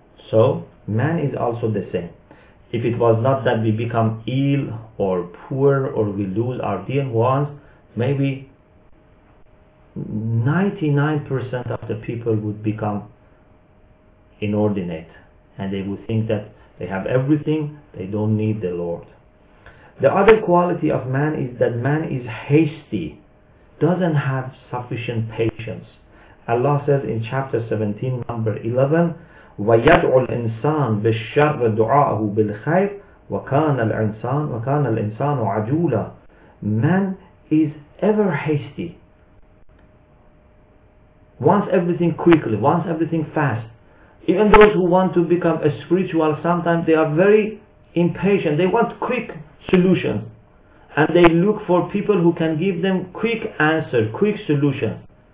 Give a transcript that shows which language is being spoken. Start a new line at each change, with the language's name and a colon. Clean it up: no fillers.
English: So man is also the same. If it was not that we become ill or poor or we lose our dear ones, maybe 99% of the people would become inordinate, and they would think that they have everything, they don't need the Lord. The other quality of man is that man is hasty, doesn't have sufficient patience.
Arabic: Allah says in chapter 17, number 11, وَيَدْعُ الْإِنسَانُ بِالشَّرِّ دُعَاءُهُ بِالْخَيْرِ وَكَانَ الْإِنسَانُ عَجُولًا.
English: Man is ever hasty, wants everything quickly, wants everything fast. Even those who want to become a spiritual, sometimes they are very impatient. They want quick solution, and they look for people who can give them quick answer, quick solution.